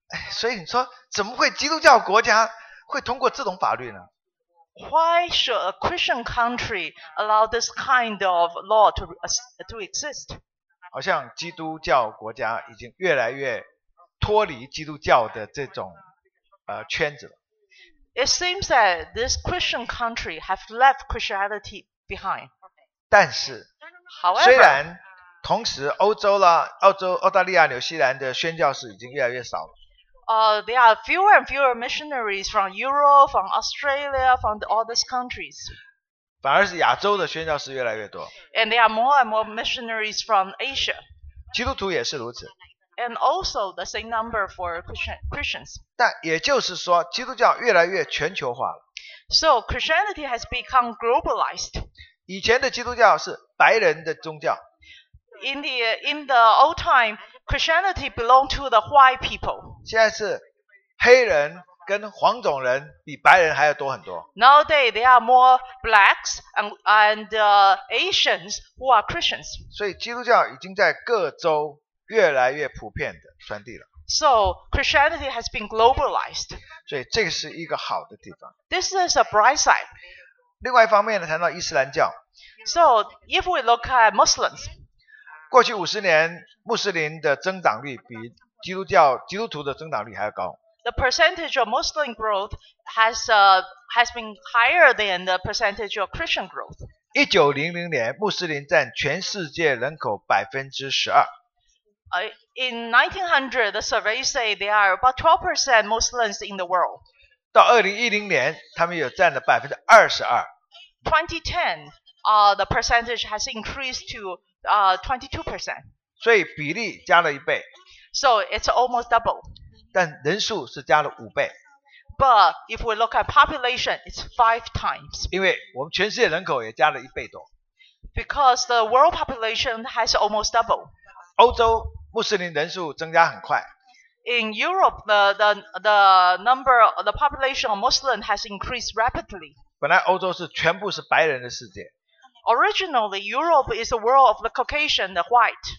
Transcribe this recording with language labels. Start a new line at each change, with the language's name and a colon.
Chinese: 所以你说怎么会基督教国家会通过这种法律呢？
English: Why should a Christian country allow this kind of law to exist?
Chinese: 好像基督教国家已经越来越脱离基督教的这种圈子了。
English: It seems that this Christian country have left Christianity behind.
Chinese: 但是
English: However,
Chinese: 虽然同时欧洲啦，澳洲、澳大利亚、纽西兰的宣教士已经越来越少了。
English: There are fewer and fewer missionaries from Europe, from Australia, from all these countries.
Chinese: 反而是亚洲的宣教士越来越多。
English: And there are more and more missionaries from Asia.
Chinese: 基督徒也是如此。
English: And also the same number for Christians.
Chinese: 但也就是说，基督教越来越全球化了。
English: So Christianity has become globalized.
Chinese: 以前的基督教是白人的宗教。
English: In the old time, Christianity belonged to the white people.
Chinese: 现在是黑人跟黄种人比白人还要多很多。
English: Nowadays, there are more blacks and Asians who are Christians.
Chinese: 所以基督教已经在各州越来越普遍的传递了。
English: So Christianity has been globalized.
Chinese: 所以这是一个好的地方。
English: This is a bright side.
Chinese: 另外一方面呢，谈到伊斯兰教。
English: So if we look at Muslims.
Chinese: 过去五十年，穆斯林的增长率比基督徒的增长率还要高。
English: The percentage of Muslim growth has been higher than the percentage of Christian growth.
Chinese: 1900年，穆斯林占全世界人口12%。
English: In 1900, the survey say there are about 12% Muslims in the world.
Chinese: 到2010年，他们又占了22%。
English: 2010, the percentage has increased to22%.
Chinese: 所以比例加了一倍。
English: So it's almost double.
Chinese: 但人数是加了五倍。
English: But if we look at population, it's 5 times.
Chinese: 因为我们全世界人口也加了一倍多。
English: Because the world population has almost double.
Chinese: 欧洲穆斯林人数增加很快。
English: In Europe, the population of Muslim has increased rapidly.
Chinese: 本来欧洲是全部是白人的世界。
English: Originally, Europe is the world of the Caucasian, the white.